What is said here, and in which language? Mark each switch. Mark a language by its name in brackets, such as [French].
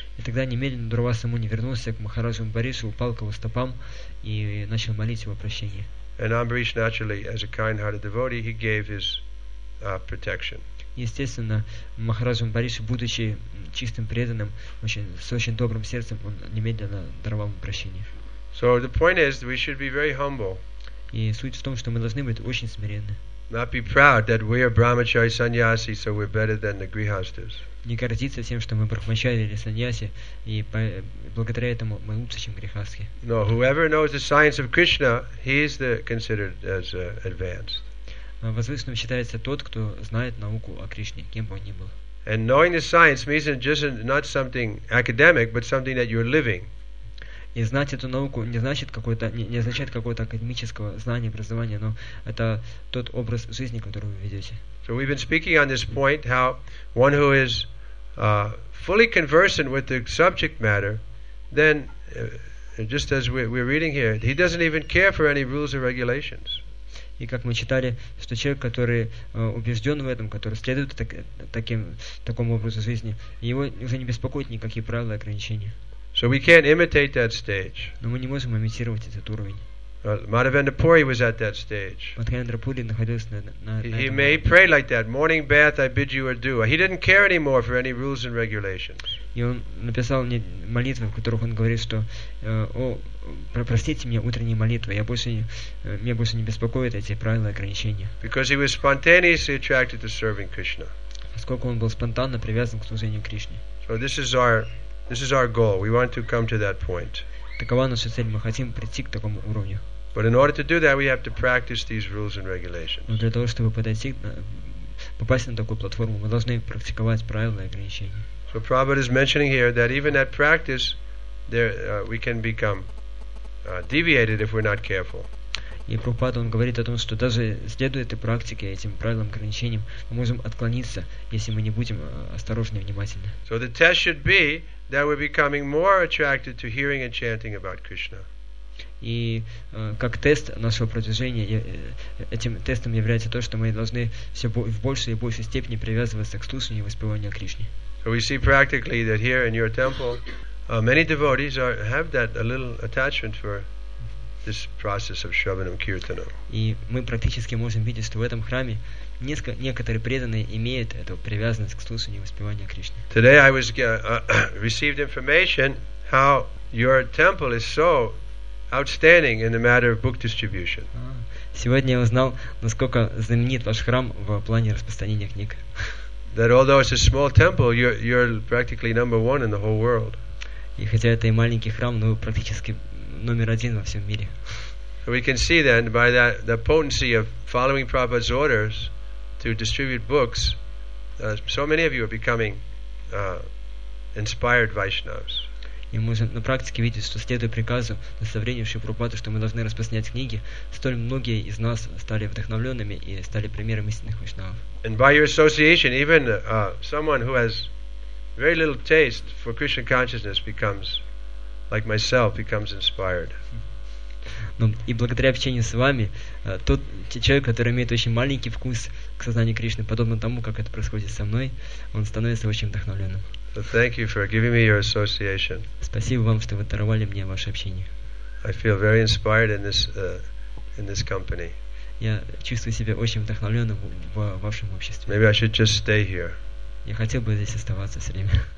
[Russian] И тогда немедленно Дурваса Муни вернулся к Махараджу Амбаришу, упал к его стопам и начал молить его прощение. [English] And Ambarish naturally, as a kind-hearted devotee, he gave his protection. [Russian] Естественно, Махараджа Амбаришу, будучи чистым преданным, очень, с очень добрым сердцем, он немедленно даровал ему прощение. [English] So the point is that we should be very humble. [Russian] И суть в том, что мы должны быть очень смиренны. [English] Not be proud that we are brahmachari sannyasi, so we're better than the grihasthas. [Russian] Не гордиться тем, что мы брахмачари или саньяси, и благодаря этому мы лучше, чем грихасхи. [English] No, whoever knows the science of Krishna, he is considered as advanced. [Russian] Возвышенным считается тот, кто знает науку о Кришне, кем бы он ни был. [English] And knowing the science means it just not something academic, but something that you're living. [Russian] И знать эту науку не значит какое-то не означает какого-то академического знания, образования, но это тот образ жизни, который вы ведете. [English] So we've been speaking on this point, how one who is fully conversant with the subject matter, then just as we're reading here, he doesn't even care for any rules or regulations. [Russian] И как мы читали, что человек, который убежден в этом, который следует такому образу жизни, его уже не беспокоят никакие правила и ограничения. [English] So we can't imitate that stage. [Russian] Но мы не можем имитировать этот уровень. [English] Madhavendra Puri was at that stage. [Russian] Madhavendra Puri находился на этом уровне. [English] He may pray like that. Morning bath, I bid you adieu. He didn't care anymore for any rules and regulations. [Russian] И он написал мне молитвы, в которых он говорит, что, о, простите меня, утренние молитвы. Я больше меня больше не беспокоят эти правила и ограничения. [English] Because he was spontaneously attracted to serving Krishna. [Russian] Поскольку он был спонтанно привязан к служению Кришне. [English] So this is our goal. We want to come to that point. [Russian] Такова наша цель. Мы хотим прийти к такому уровню. [English] But in order to do that, we have to practice these rules and regulations. [Russian] Но для того, чтобы подойти, попасть на такую платформу, мы должны практиковать правила и ограничения. [English] So Prabhupada is mentioning here that even at practice, there we can become deviated if we're not careful. [Russian] И Прабхупада, он говорит о том, что даже следуя этой практике, этим правилам, ограничениям, мы можем отклониться, если мы не будем осторожны и внимательны. [English] So the test should be that we're becoming more attracted to hearing and chanting about Krishna. [Russian] И как тест нашего продвижения, этим тестом является то, что мы должны все в большей и большей степени привязываться к слушанию и воспеванию о Кришне. [English] So we see practically that here in your temple, many devotees have that a little attachment for this process of Shravanam Kirtanam. [Russian] И мы практически можем видеть, что в этом храме некоторые преданные имеют эту привязанность к слушанию и воспеванию Кришны. [English] Today I was received information how your temple is so outstanding in the matter of book distribution. [Russian] Сегодня я узнал, насколько знаменит ваш храм в плане распространения книг. [English] That although it's a small temple, you're practically number one in the whole world. [Russian] И хотя это и маленький храм, но практически номер один во всем мире. [English] So we can see then by that the potency of following Prabhupada's orders to distribute books, so many of you are becoming inspired Vaishnavas. [Russian] И мы на практике видим, что следуя приказу наставлению Шри Прабхупады, что мы должны распространять книги, столь многие из нас стали вдохновленными и стали примером истинных Вайшнавов. [English] And by your association, even someone who has very little taste for Krishna consciousness becomes, like myself, becomes inspired. [Russian] Но и благодаря общению с вами, тот человек, который имеет очень маленький вкус к сознанию Кришны, подобно тому, как это происходит со мной, он становится очень вдохновленным. [English] So thank you for giving me your association. [Russian] Спасибо вам, что вы даровали мне ваше общение. [English] I feel very inspired in this company. [Russian] Я чувствую себя очень вдохновленным в вашем обществе. [English] Maybe I should just stay here. [Russian] Я хотел бы здесь оставаться все время.